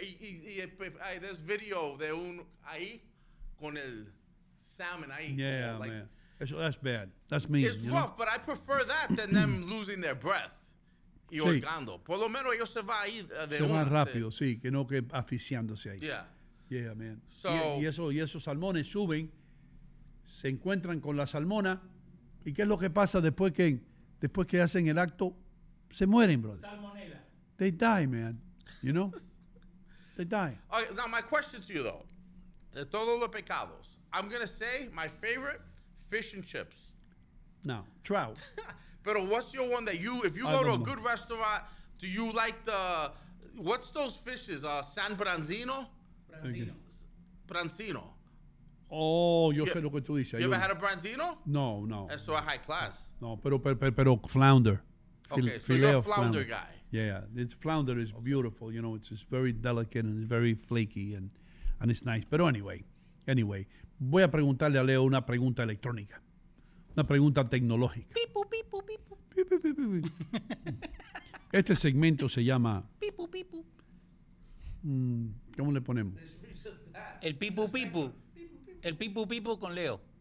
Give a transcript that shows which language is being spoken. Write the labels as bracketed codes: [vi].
[es] Y there's video de un ahí con el salmon ahí. [en] Yeah, like, man. That's bad. That's mean. It's rough, but I prefer that than them losing their breath [es] y ahogando. Por lo menos ellos se va ahí de se van rápido, sí, que no que asfixiándose ahí. [en] Yeah. Yeah, man. So, [es] y esos salmones suben, se encuentran con la salmona. ¿Y qué es lo que pasa después que... Después que hacen el acto, se mueren, brother. Salmonella. [en] They die, man. You know? They die. Okay, now, my question to you, though. [es] De todos los pecados, [en] I'm going to say my favorite, fish and chips. No, trout. Pero what's your one that you, if you go to a good restaurant, do you like the, what's those fishes? San Branzino? Branzino. [es] Oh, yo sé lo que tú dices. [en] You ever had a branzino? No. [es] Eso es [en] high class. [es] No, pero flounder. [en] Filet, so you're a flounder guy. Yeah, it's flounder is beautiful. You know, it's very delicate and it's very flaky and it's nice. [es] Pero anyway, voy a preguntarle a Leo una pregunta electrónica. Una pregunta tecnológica. Pipu. Este segmento se llama... Pipu. ¿Cómo le ponemos? El pipu. El pipu con Leo.